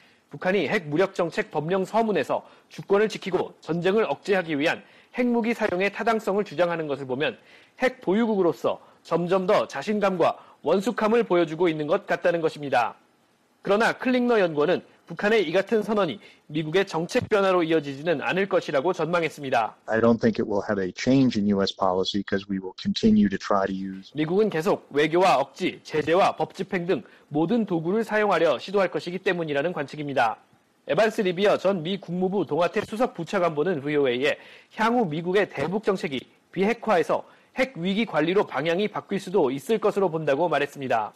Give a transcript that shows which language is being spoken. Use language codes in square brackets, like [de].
[ko] 북한이 핵 무력 정책 법령 서문에서 주권을 지키고 전쟁을 억제하기 위한 핵무기 사용의 타당성을 주장하는 것을 보면 핵 보유국으로서 점점 더 자신감과 원숙함을 보여주고 있는 것 같다는 것입니다. 그러나 클릭너 연구원은 북한의 이 같은 선언이 미국의 정책 변화로 이어지지는 않을 것이라고 전망했습니다. [en] I don't think it will have a change in US policy because we will continue to try to use [ko] 미국은 계속 외교와 억지, 제재와 법 집행 등 모든 도구를 사용하려 시도할 것이기 때문이라는 관측입니다. 에반스 리비어 전 미 국무부 동아태 수석 부차관보는 VOA에 향후 미국의 대북 정책이 비핵화에서 핵 위기 관리로 방향이 바뀔 수도 있을 것으로 본다고 말했습니다.